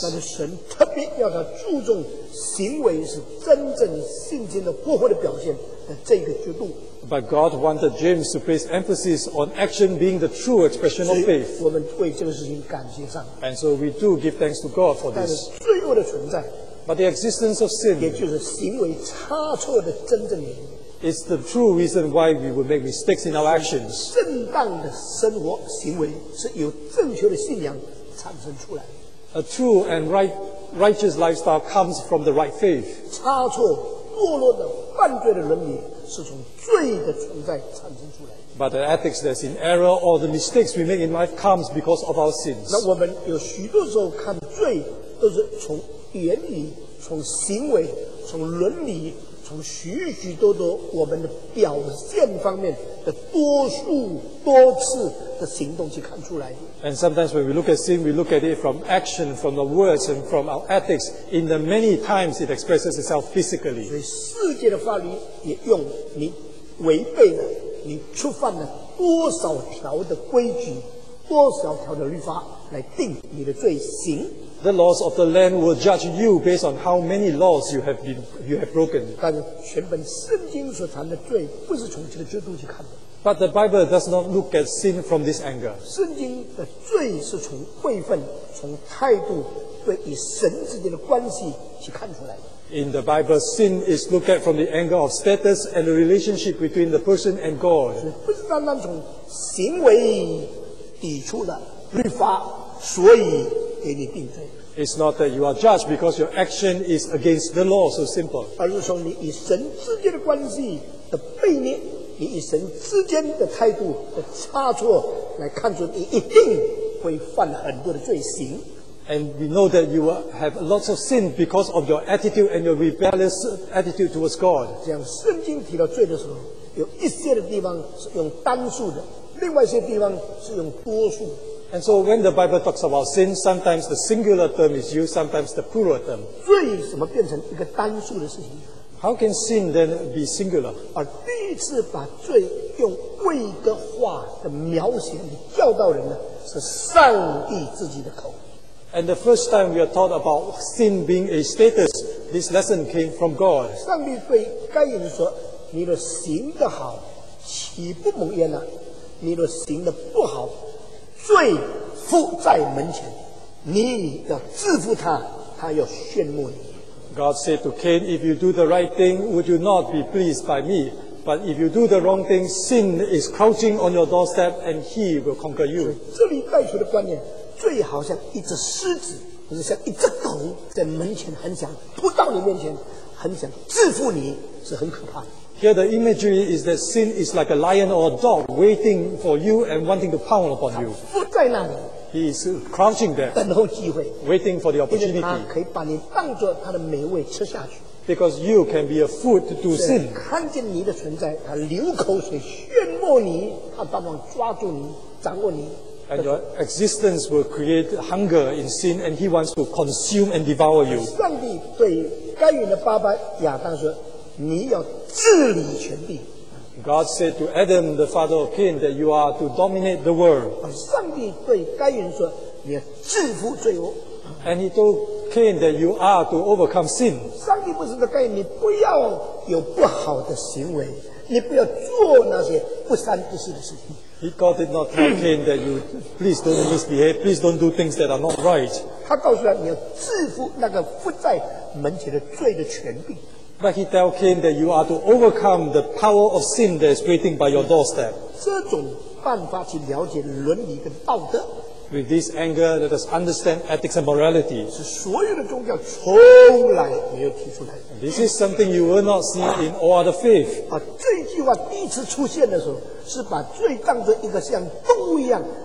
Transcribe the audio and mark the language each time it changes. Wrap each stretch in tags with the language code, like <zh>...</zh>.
<zh>但是神特别要他注重行为是真正信心的过活的表现的这个角度。</zh> <en>But God wanted James to place emphasis on action being the true expression of faith.</en> <zh>我们为这个事情感谢上。</zh> <en>And so we do give thanks to God for this.</en> <zh>但是罪恶的存在。</zh> <en>But the existence of sin,</en> <zh>也就是行为差错的真正原因</zh> <en>is the true reason why we would make mistakes in our actions.</en> <zh>正当的生活行为是由正确的信仰产生出来。</zh> <en>A true and righteous lifestyle comes from the right faith.</en> <zh>差错、堕落的、犯罪的伦理是从罪的存在产生出来。</zh> <en>But the ethics that's in error or the mistakes we make in life comes because of our sins.</en> <zh>那我们有许多时候看罪都是从言语从行为从伦理从许许多多我们的表现方面的多数多次的行动去看出来的。</zh> <en>And sometimes when we look at sin, we look at it from action, from the words, and from our ethics, in the many times it expresses itself physically.</en> <zh>所以世界的法律也用你违背了，你触犯了多少条的规矩，多少条的律法来定你的罪行。</zh> <en>The laws of the land will judge you based on how many laws you have broken.</en> <zh>但是全本圣经所谈的罪不是从这个角度去看的。</zh> <en>But the Bible does not look at sin from this angle.</en> <zh>圣经的罪是从辈分、从态度、对与神之间的关系去看出来的。</zh> <en>In the Bible, sin is looked at from the angle of status and the relationship between the person and God.</en> <zh>不是单单从行为抵触了律法，所以。</zh> <en>It's not that you are judged because your action is against the law, so simple.</en> <zh>而是从你与神之间的关系的背面，你与神之间的态度的差错来看出你一定会犯很多的罪行。</zh> <en>And we know that you have lots of sin because of your attitude and your rebellious attitude towards God.</en> <zh>这样圣经提到罪的时候，有一些的地方是用单数的，另外一些地方是用多数的。</zh> <en>And so when the Bible talks about sin, sometimes the singular term is used, sometimes the plural term.</en> <zh>罪怎么变成一个单数的事情？</zh> <en>How can sin then be singular?</en> <zh>而第一次把罪用位格化的描写的教导人呢，是上帝自己的口。</zh> <en>And the first time we are taught about sin being a status, this lesson came from God.</en> <zh>上帝对该隐说，你若行得好，岂不蒙恩呢？你若行得不好，罪伏在门前，你要制服他，他要炫目你。</zh> <en>God said to Cain, "If you do the right thing, would you not be pleased by me? But if you do the wrong thing, sin is crouching on your doorstep, and he will conquer you."</en> <zh>这里带出的观念，罪好像一只狮子，或者像一只狗，在门前很想扑到你面前，很想制服你，是很可怕的。</zh> <en>Here the imagery is that sin is like a lion or a dog waiting for you and wanting to pound upon you.</en> <zh>他伏在那里，</zh> <en>He is crouching there,</en> <zh>等候机会，</zh> <en>waiting for the opportunity.</en> <zh>因为他可以把你当作他的美味吃下去。</zh> <en>Because you can be a food to sin.</en> <zh>看见你的存在，他流口水炫目你，他当然抓住你，掌握你。</zh> <en>And your existence will create hunger in sin, and he wants to consume and devour you.</en> <zh>上帝对该隐的爸爸亚当说，你要治理全地。</zh> <en>God said to Adam, the father of Cain, that you are to dominate the world.</en> <zh>上帝对该隐说，你要制服罪恶。</zh> <en>And he told Cain that you are to overcome sin.</en> <zh>上帝不是说该隐，你不要有不好的行为，你不要做那些不三不四的事情。</zh> <en>God did not tell Cain that you please don't misbehave, please don't do things that are not right.</en> <zh>他告诉他，你要制服那个伏在门前的罪的权柄。</zh> <en>But he tell Cain that you are to overcome the power of sin that is waiting by your doorstep.</en> <zh>这种办法去了解伦理跟道德,</zh> <en>with this anger, let us understand ethics and morality.</en> <zh>是所有的宗教从来没有提出来,</zh> <en>and this is something you will not see in all other faith.</en> <zh>这句话第一次出现的时候, 是把罪当作一个像动物一样,</zh>